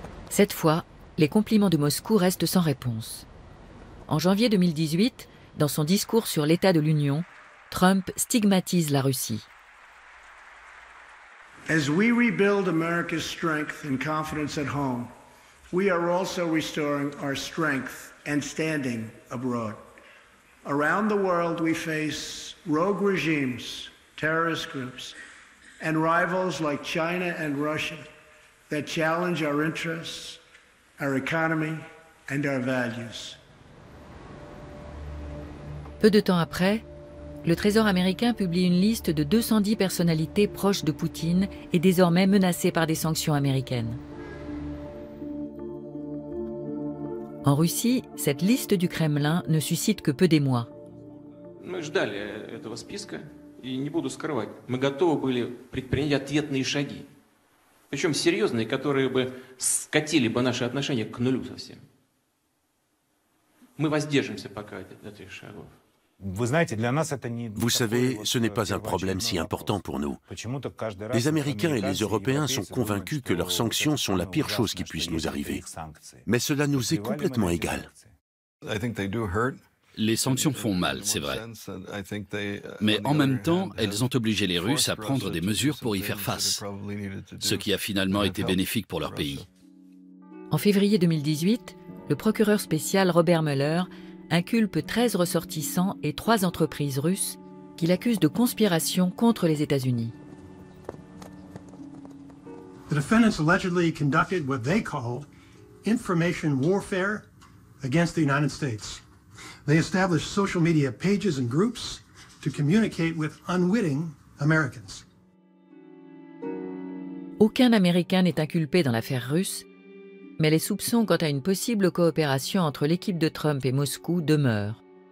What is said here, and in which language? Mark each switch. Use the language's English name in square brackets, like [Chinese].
[French] Cette fois, les compliments de Moscou restent sans réponse. En janvier 2018, dans son discours sur l'état de l'Union, Trump stigmatise la Russie. [English] As we rebuild America's strength and confidence at home, we are also restoring our strength and standing abroad. Around the world, we face rogue regimes, terrorist groups, and rivals like China and Russia that challenge our interests, our economy, and our values. [French] Peu de temps après, le Trésor américain publie une liste de 210 personnalités proches de Poutine et désormais menacées par des sanctions américaines. En Russie, cette liste du Kremlin ne suscite que peu d'émoi. [Russian] Мы ждали этого списка, и не буду скрывать, мы готовы были предпринять ответные шаги, причем серьезные, которые бы скатили бы наши отношения к нулю совсем. Мы воздержимся пока от этих шагов. [French] Vous savez, ce n'est pas un problème si important pour nous. Les Américains et les Européens sont convaincus que leurs sanctions sont la pire chose qui puisse nous arriver. Mais cela nous est complètement égal. Les sanctions font mal, c'est vrai. Mais en même temps, elles ont obligé les Russes à prendre des mesures pour y faire face, ce qui a finalement été bénéfique pour leur pays. En février 2018, le procureur spécial Robert Mueller inculpe 13 ressortissants et 3 entreprises russes qu'il accuse de conspiration contre les États-Unis. [English] The defendants allegedly conducted what they called information warfare against the United States. They established social media pages and groups to communicate with unwitting Americans. [French] Aucun Américain n'est inculpé dans l'affaire russe. Mais les soupçons quant à une possible coopération entre l'équipe de Trump et Moscou demeurent.